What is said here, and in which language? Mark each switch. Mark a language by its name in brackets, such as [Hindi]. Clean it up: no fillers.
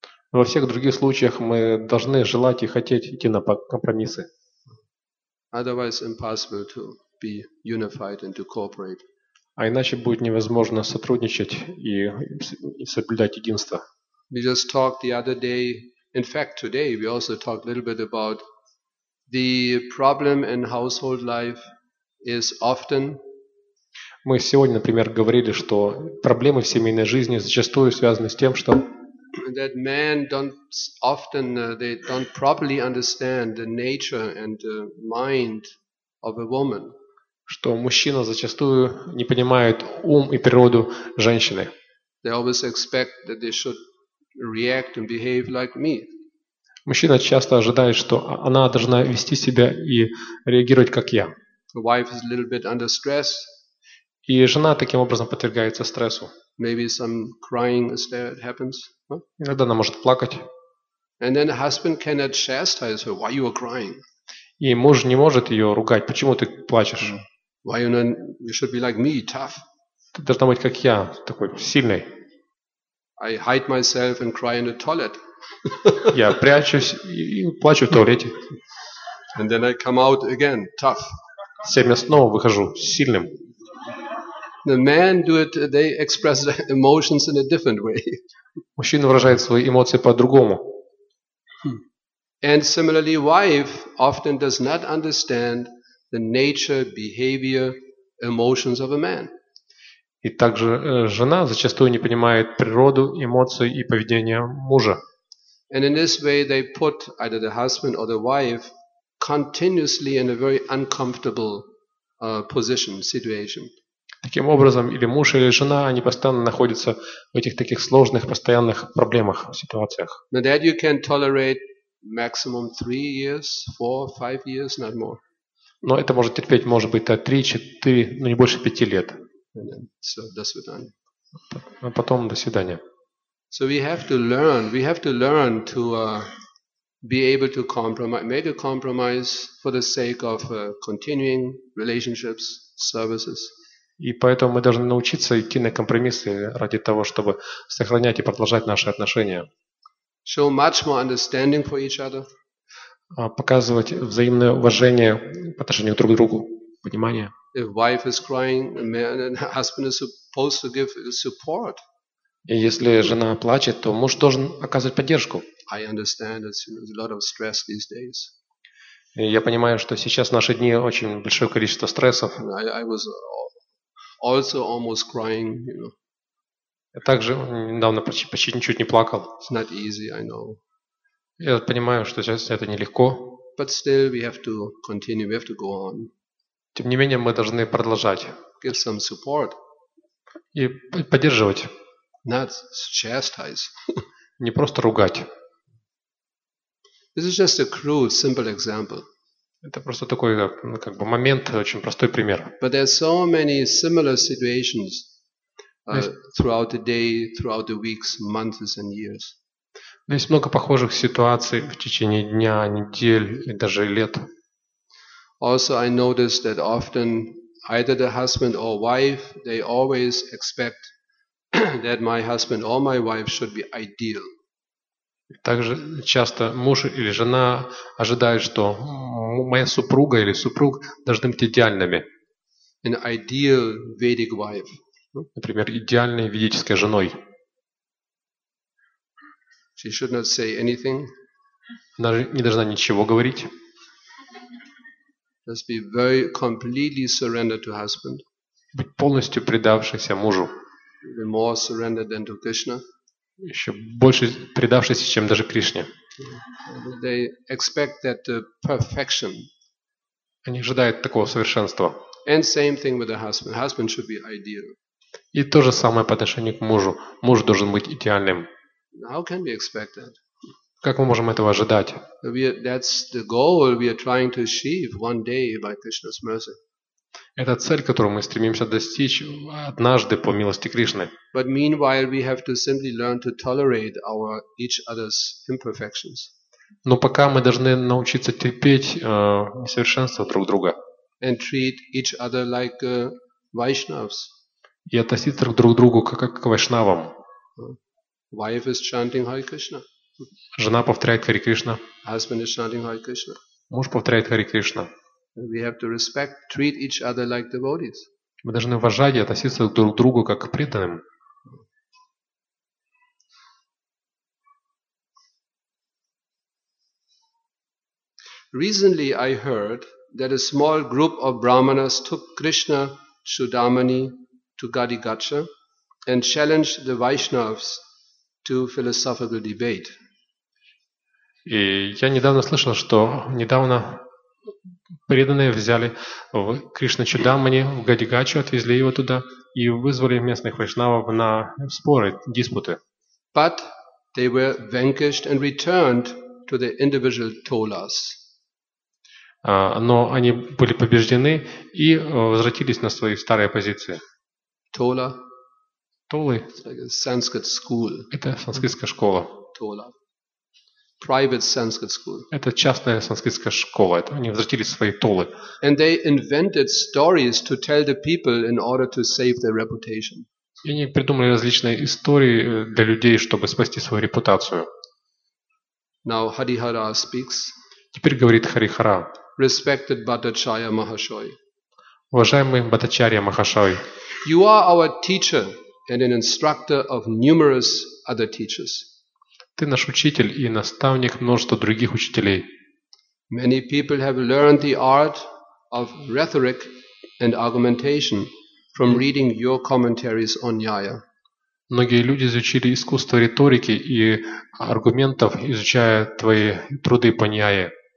[Russian] Во всех других случаях мы должны желать и хотеть идти на компромиссы. [English] Otherwise impossible to be unified and to cooperate. [Russian] А иначе будет невозможно сотрудничать и соблюдать единство. [English] We just talked the other day, in fact today we also talked a little bit about the problem in household life is often. [Russian] Мы сегодня, например, говорили, что проблемы в семейной жизни зачастую связаны с тем, что [English] that men don't often they don't properly understand the nature and the mind of a woman. [Russian] Что мужчина зачастую не понимает ум и природу женщины. [English] They always expect that they should react and behave like me. [Russian] Мужчина часто ожидает, что она должна вести себя и реагировать как я. [English] The wife is a little bit under stress. [Russian] И жена таким образом подвергается стрессу. [English] Maybe some crying is there, it happens. [Russian] Иногда она может плакать. [English] And then the husband cannot chastise her. Why you are crying? [Russian] И муж не может ее ругать. Почему ты плачешь? [English] Why you not, you should be like me, tough. [Russian] Ты должна быть как я, такой сильный. [English] I hide myself and cry in the toilet. [Russian] Я прячусь и плачу в туалете. [English] And then I come out again, tough. [Russian] Затем я снова выхожу сильным. [English] The men do it, they express their emotions in a different way. [Russian] Мужчина выражает свои эмоции по-другому. [English] And similarly, wife often does not understand the nature, behavior, emotions of a man. [Russian] И также жена зачастую не понимает природу, эмоции и поведение мужа. [English] And in this way, they put either the husband or the wife continuously in a very uncomfortable position, situation. [Russian] Таким образом, или муж, или жена, они постоянно находятся в этих таких сложных, постоянных проблемах, ситуациях. [English] Now that you can tolerate maximum 3 years, 4, 5 years, not more. [Russian] Но это может терпеть, может быть, 3-4, но не больше 5 лет. [English] And then, so, [Russian] до свидания. А потом до свидания. [English] So we have to learn to be able to compromise, make a compromise for the sake of continuing relationships, services. [Russian] И поэтому мы должны научиться идти на компромиссы ради того, чтобы сохранять и продолжать наши отношения. [English] Show much more understanding for each other. [Russian] Показывать взаимное уважение по отношению друг к другу, понимание. [English] If wife is crying, a man and husband is supposed to give support. [Russian] И если жена плачет, то муж должен оказывать поддержку. [English] I understand that there's a lot of stress these days. [Russian] И я понимаю, что сейчас в наши дни очень большое количество стрессов. [English] I was also almost crying, you know. [Russian] Я также недавно почти ничуть не плакал. [English] It's not easy, I know. [Russian] Я понимаю, что сейчас это нелегко. [English] But still we have to continue, we have to go on. [Russian] Тем не менее, мы должны продолжать. [English] Give some support. [Russian] И поддерживать. [English] Not chastise. [Russian] Не просто ругать. [English] This is just a crude, simple example. [Russian] Это просто такой как бы момент, очень простой пример. [English] But there are so many similar situations throughout the day, throughout the weeks, months and years. [Russian] Есть много похожих ситуаций в течение дня, недель и даже лет. [English] Also, I noticed that often either the husband or wife, they always expect that my husband or my wife should be ideal. [Russian] Также часто муж или жена ожидают, что моя супруга или супруг должны быть идеальными. [English] An ideal Vedic wife. [Russian] Например, идеальной ведической женой. [English] She should not say anything. [Russian] Она не должна ничего говорить. [English] Must be very completely surrendered to husband. [Russian] Быть полностью предавшейся мужу. [English] Even more surrendered than to Krishna. [Russian] Еще больше предавшись, чем даже Кришне. [English] They expect that perfection. [Russian] Они ожидают такого совершенства. [English] And same thing with the husband. Husband should be ideal. [Russian] И то же самое по отношению к мужу. Муж должен быть идеальным. [English] How can we expect that? [Russian] Как мы можем этого ожидать? [English] That's the goal we are trying to achieve one day by Krishna's mercy. [Russian] Это цель, которую мы стремимся достичь однажды по милости Кришны. [English] But meanwhile, we have to simply learn to tolerate our each other's imperfections. [Russian] Но пока мы должны научиться терпеть несовершенства друг друга. [English] And treat each other like Vaishnavas. [Russian] И относиться друг к другу как к Вайшнавам. [English] Wife is chanting Hare Krishna. [Russian] Жена повторяет Хари Кришна. [English] Husband is chanting Hare Krishna. [Russian] Муж повторяет Хари Кришна. [English] We have to respect, treat each other like devotees. [Russian] Мы должны уважать и относиться друг к другу как к преданным. [English] Recently I heard that a small group of brahmanas took Krishna Chudamani to Gadi Gacha and challenged the Vaishnavas to philosophical debate. [Russian] И я недавно слышал, что недавно преданные взяли Кришна Чудамани в Гади Гачу, отвезли его туда и вызвали местных вайшнавов на споры, диспуты. [English] But they were vanquished and returned to the individual tolas. [Russian] Но они были побеждены и возвратились на свои старые позиции. [English] Tola. [Russian] Толы. [English] It's like a Sanskrit school. [Russian] Это санскритская школа. [English] Tola. Private Sanskrit school. [Russian] Это частная санскритская школа. Это они возвратились в свои толы. [English] And they invented stories to tell the people in order to save their reputation. [Russian] И они придумали различные истории для людей, чтобы спасти свою репутацию. [English] Now Harihara speaks. [Russian] Теперь говорит Харихара. [English] Respected Bhattacharya Mahashoy. [Russian] Уважаемый Бхаттачарья Махашой. [English] You are our teacher and an instructor of numerous other teachers. [Russian] Ты наш учитель и наставник множества других учителей. [English] Many people have learned the art of rhetoric and argumentation from reading your commentaries on Nyaya. [Russian] Многие люди изучили искусство риторики и аргументов, изучая твои труды по Нияе.